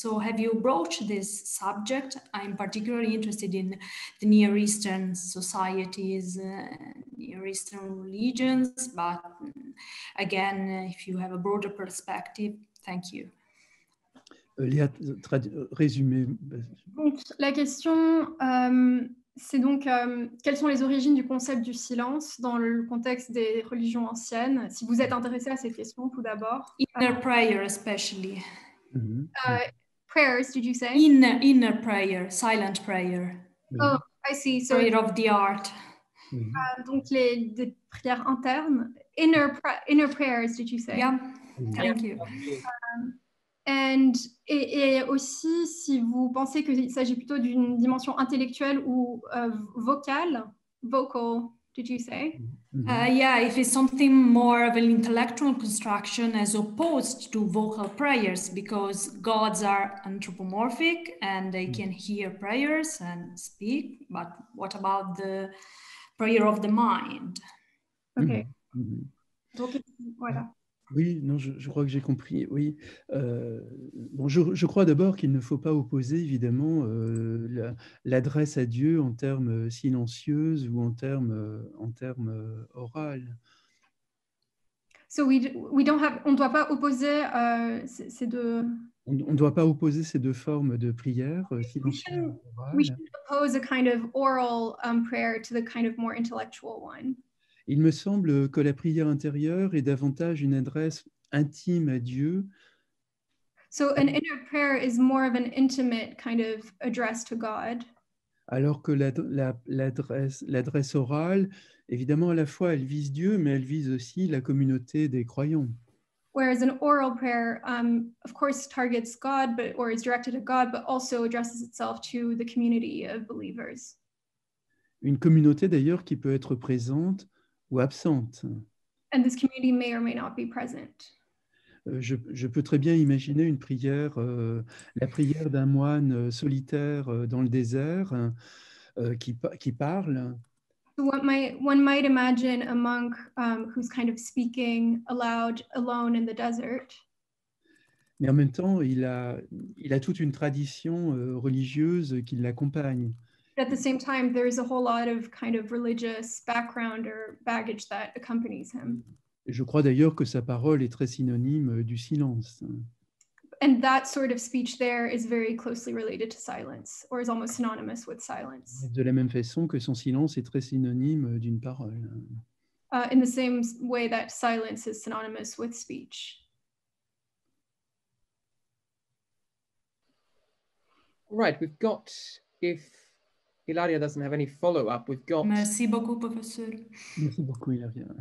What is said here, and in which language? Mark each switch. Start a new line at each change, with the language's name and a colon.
English: So have you broached this subject? I'm particularly interested in the Near Eastern societies, Near Eastern religions, but again, if you have a broader perspective, thank you.
French: Résumé. Donc, la question, c'est donc quelles sont les origines du concept du silence dans le contexte des religions anciennes, si vous êtes intéressé à cette question tout d'abord.
English: Inner prayer, especially. Prayers, did you say? Inner prayer, silent prayer. Oh, I see. So, prayer of the heart.
French: Donc, les prayers internes.
English: Inner prayers, did you say? Yeah. Mm-hmm. Thank you.
French: Et aussi, si vous pensez qu'il s'agit plutôt d'une dimension intellectuelle ou vocale,
English: vocal, did you say? Yeah, if it's something more of an intellectual construction as opposed to vocal prayers, because gods are anthropomorphic and they can hear prayers and speak, but what about the prayer of the mind?
French: Okay. Mm-hmm. Donc, voilà. Oui, non, je crois que j'ai compris. Oui, bon, je crois d'abord qu'il ne faut pas opposer évidemment l'adresse à Dieu en termes silencieuses ou en termes orales. So on ne doit pas opposer ces deux. On ne doit pas opposer ces deux formes de prière silencieuse.
English: We should oppose a kind of oral prayer to the kind of more intellectual one.
French: Il me semble que la prière intérieure est davantage une adresse intime à Dieu.
English: So an inner prayer is more of an intimate kind of address to God.
French: Alors que l'adresse orale, évidemment, à la fois elle vise Dieu, mais elle vise aussi la communauté des croyants.
English: Whereas an oral prayer, of course, targets God, or is directed at God, but also addresses itself to the community of believers.
French: Une communauté d'ailleurs qui peut être présente. Ou absente.
English: And this community may or may not be present.
French: Je peux très bien imaginer une prière, la prière d'un moine solitaire dans le désert qui parle.
English: One might imagine a monk who's kind of speaking aloud alone in the desert.
French: Mais en même temps, il a toute une tradition religieuse qui l'accompagne.
English: But at the same time, there is a whole lot of kind of religious background or baggage that accompanies him.
French: Je crois d'ailleurs que sa parole est très synonyme du silence.
English: And that sort of speech there is very closely related to silence, or is almost synonymous with silence.
French: De la même façon que son silence est très synonyme d'une parole.
English: In the same way that silence is synonymous with speech. Right, we've got, if Ilaria doesn't have any follow-up, we've got...
French: Merci beaucoup, professeur. Merci beaucoup, Ilaria.